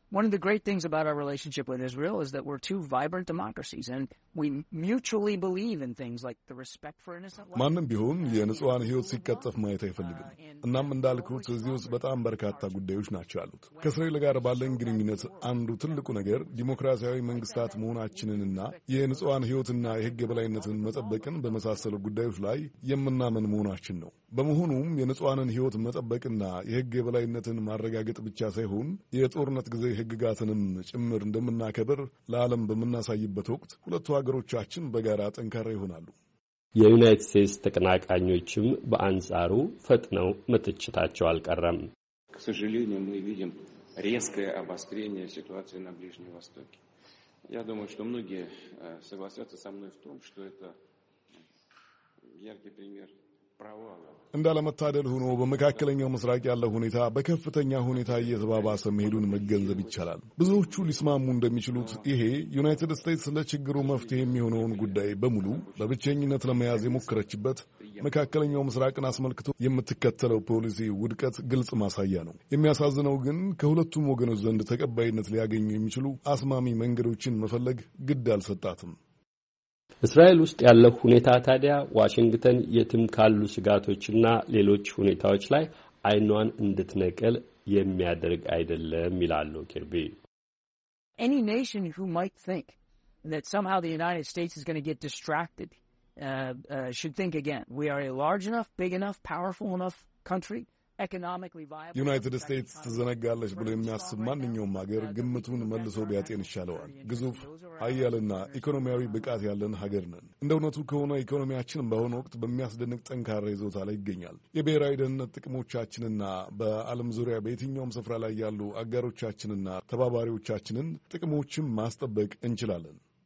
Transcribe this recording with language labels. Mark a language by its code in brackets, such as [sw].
[en] One of the great things about our relationship with Israel is that we're two vibrant democracies and we mutually believe in things like the respect for innocent life. [am] ማንም ቢሆን የነጽዋን ህይወት ሲከጠፍ ማየት አይፈልግም። እናም እንዳልኩት እዚህ ውስጥ በጣም በርካታ ጉዳዮች ናቸው ያሉት። ከእስራኤል ጋር ባለን ግንኙነት አንዱ ትልቁ ነገር ዲሞክራሲያዊ መንግስታት መሆናችንንና የነጽዋን ህይወትና የህግ የበላይነትን መጠበቅን በመሳሰሉ ጉዳዮች ላይ የምናምን መሆናችን ነው። በመሆኑም የነጽዋንን ህይወት መጠበቅና የህግ የበላይነትን ማረጋገጥ ብቻ ሳይሆን የጦርነት ጊዜ ህግጋትንም ጭምር እንደምናከብር ለዓለም በመናሳይበት ወቅት ሁለቱ ሀገሮቻችን በጋራ ጠንካራ ይሆናሉ። የዩናይትድ ስቴትስ ተቀናቃኞችም በአንጻሩ ፈጥነው መተቸታቸው አልቀረም። [ru] К сожалению, мы видим резкое обострение ситуации на Ближнем Востоке. Я думаю, что многие согласятся со мной в том, что это яркий пример [am] እንዳለመታደል ሆኖ በመካከለኛው ምስራቅ ያለው ሁኔታ በከፍተኛ ሁኔታ እየተባባሰ መሄዱን መገንዘብ ይቻላል። ብዙዎቹ ሊስማሙ እንደሚችሉት ይሄ ዩናይትድ ስቴትስ ለችግሩ መፍትሄ የሚሆነውን ጉዳይ በሙሉ በብቸኝነት ለመያዝ የሞከረችበት መካከለኛው ምስራቅን አስመልክቶ የምትከተለው ፖሊሲ ውድቀት ግልጽ ማሳያ ነው። የሚያሳዝነው ግን ከሁለቱም ወገኖች ዘንድ ተቀባይነት ሊያገኙ የሚችሉ አስማሚ መንገዶችን መፈለግ ግድ አልሰጣትም። እስራኤል ውስጥ ያለው ሁኔታ ታዲያ ዋሽንግተን የትም ካሉ ስጋቶችና ሌሎች ሁኔታዎች ላይ አይኗን እንድትነቀል የሚያደርግ አይደለም ይላሉ ኪርቢ። [en] Any nation who might think that somehow the United States is going to get distracted should think again. We are a large enough, big enough, powerful enough country [am] ዩናይትድ ስቴትስ ትዘነጋለች ብሎ የሚያስብ ማንኛውም ሀገር ግምቱን መልሶ ቢያጤን ይሻለዋል። ግዙፍ ኃያልና ኢኮኖሚያዊ ብቃት ያለን ሀገር ነን። እንደ እውነቱ ከሆነ ኢኮኖሚያችን በአሁኑ ወቅት በሚያስደንቅ ጠንካራ ይዞታ ላይ ይገኛል። የብሔራዊ ደህንነት ጥቅሞቻችንና በዓለም ዙሪያ በየትኛውም ስፍራ ላይ ያሉ አጋሮቻችንና ተባባሪዎቻችንን ጥቅሞችን ማስጠበቅ እንችላለን።